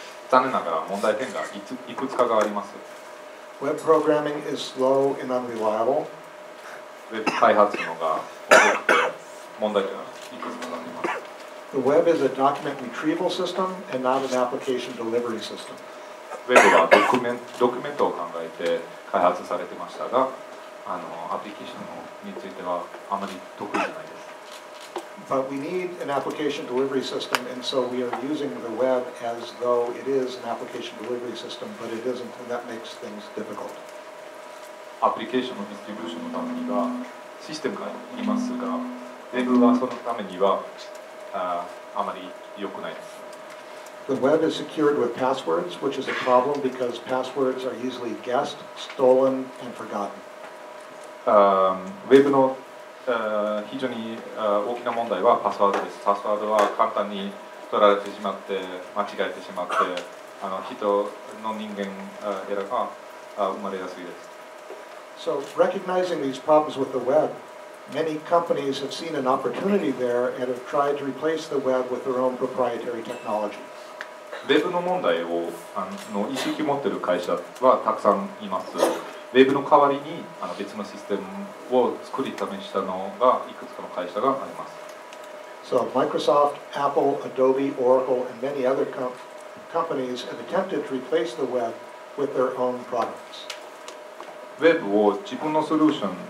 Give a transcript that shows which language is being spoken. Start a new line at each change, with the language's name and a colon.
Japanese: 残念ながら問題点がいくつかがあります。
English: Web programming is slow and unreliable.
Japanese: ウェブ開発のが遅くて問題点がいくつかがあります。
English: The web is a document retrieval system and not an application delivery system.
Japanese: ウェブはドキュメントを考えて開発されてましたが、アプリケーションについてはあまり得意じゃないです。
English: But we need an application delivery system, and so we are using the web as though it is an application delivery system, but it isn't, and that makes things difficult.
Japanese: アプリケーションのディストリビューションのためにはシステムがいますが、ウェブはそのためにはあまり良くないです。
English: The web is secured with passwords, which is a problem because passwords are usually guessed, stolen, and forgotten.
Japanese: ウェブの非常に大きな問題はパスワードです。パスワードは簡単に取られてしまって、間違えてしまって、人間エラーが生まれやすいです。
English: So, recognizing these problems with the web, many companies have seen an opportunity there and have tried to replace the web with their own proprietary technology.
Japanese: ウェブの問題を意識持っている会社はたくさんいます。ウェブの代わりに別のシステムを作り試したのがいくつかの会社があります。
English: So, Microsoft, Apple, Adobe, Oracle, and many other companies have attempted to replace the web with their own products.
Japanese: ウェブを自分のソリューション